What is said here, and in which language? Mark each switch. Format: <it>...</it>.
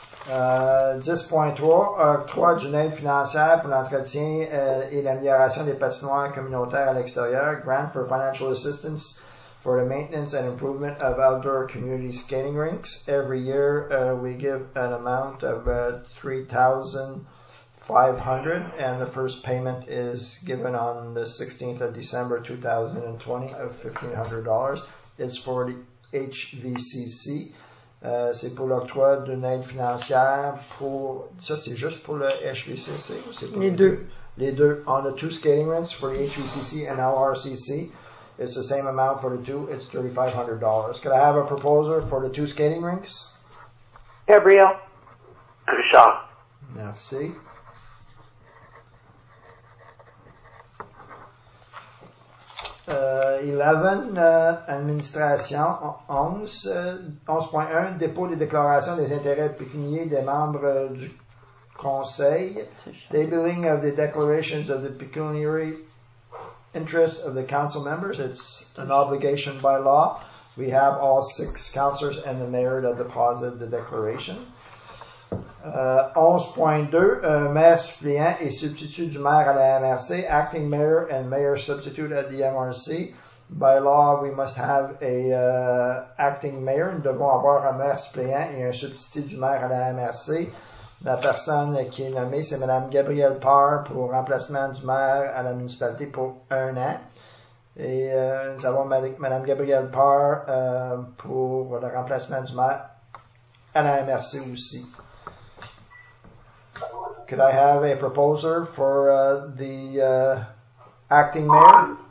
<fr>10.3, octroi d'une aide financière pour l'entretien et l'amélioration des patinoires communautaires à l'extérieur.</fr> <en>Grant for financial assistance for the maintenance and improvement of outdoor community skating rinks. Every year we give an amount of $3,500, and the first payment is given on the 16th of December 2020 of $1,500. It's for the HVCC.</en> <fr>C'est pour l'octroi d'une aide financière pour... Ça, c'est juste pour le HVCC? C'est pour les deux.</fr> <en>On the two skating rinks for the HVCC and LRCC. It's the same amount for the two. It's $3,500. Could I have a proposer for the two skating rinks? Gabriel. Richard.</en> <fr>Merci. Administration 11.1, dépôt des déclarations des intérêts pécuniaires des membres du conseil.</fr> <en>Tabling of the declarations of the pecuniary interest of the council members. It's an obligation by law. We have all six councillors and the mayor that deposit the declaration.</en> <fr>11.2, maire suppléant et substitut du maire à la MRC,</fr> <en>acting mayor and mayor substitute at the MRC. By law, we must have a acting mayor.</en> <fr>Nous devons avoir un maire suppléant et un substitut du maire à la MRC. La personne qui est nommée, c'est Mme Gabrielle Parr pour remplacement du maire à la municipalité pour un an. Et nous avons Mme Gabrielle Parr pour le remplacement du maire à la MRC aussi.</fr> <en>Could I have a proposer for the acting mayor?</en>